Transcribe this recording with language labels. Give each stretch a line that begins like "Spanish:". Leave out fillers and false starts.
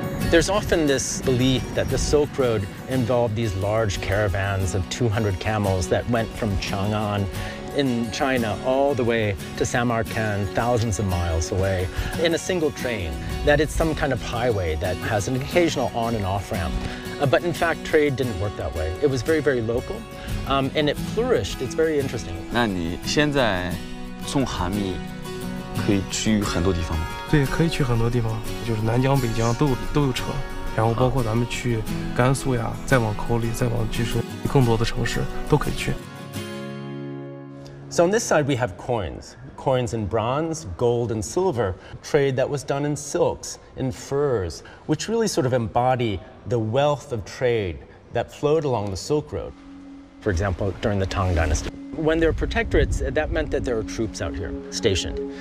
English: There's often this belief that the Silk Road involved these large caravans of 200 camels that went from Chang'an in China all the way to Samarkand, thousands of miles away, in a single train, that it's some kind of highway that has an occasional on and off ramp. But in fact, trade didn't work that way. It was very, very local. And it flourished. It's very interesting.
Chinese: 那你现在送哈密可以去很多地方吗？对，可以去很多地方，就是南疆、北疆都有车，然后包括咱们去甘肃呀，再往口里，再往就是更多的城市都可以去。
English: So on this side we have coins. coins in bronze, gold, and silver, trade that was done in silks, in furs, which really sort of embody the wealth of trade that flowed along the Silk Road. For example, during the Tang Dynasty. When there were protectorates, that meant that there were troops out here stationed.